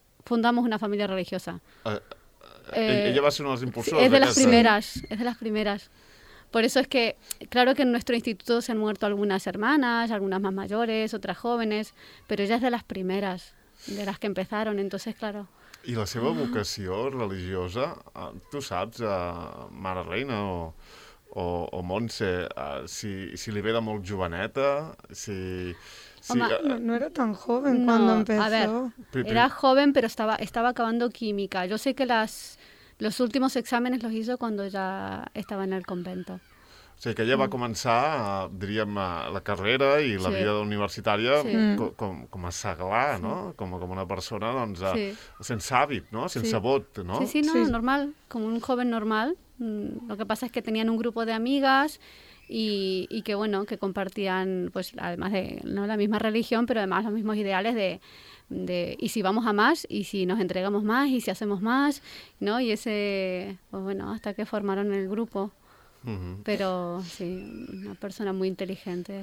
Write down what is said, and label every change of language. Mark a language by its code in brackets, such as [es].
[es] fundamos una familia religiosa. Ella va a ser una de las impulsoras. Es de las primeras, es de las primeras. Por eso es que, claro que en nuestro instituto se han muerto algunas hermanas, algunas más mayores, otras jóvenes, pero ella es de las primeras, de las que empezaron, entonces, claro. [ca] I la seva vocació religiosa, tu saps, Mare Reina o Montse, si li ve de molt joveneta, si... [es] Home, no era tan joven cuando empezó. A ver, era joven, pero estaba acabando química. Yo sé que los últimos exámenes los hizo cuando ya estaba en el convento. [ca] O sigui, que ella va començar, diríem, la carrera i la vida universitària com a seglar, no? Com una persona, doncs, sense hàbit, no? Sense vot, no? [es] Sí, sí, no, normal, [ca] com un joven normal. [es] Lo que pasa es que tenían un grupo de amigas y que, bueno, que compartían, pues, además de, no la misma religión, pero además los mismos ideales de y si vamos a más, y si nos entregamos más, y si hacemos más, ¿no? Y ese, pues bueno, hasta que formaron el grupo. Uh-huh. [ca] Però sí, una persona molt intel·ligent.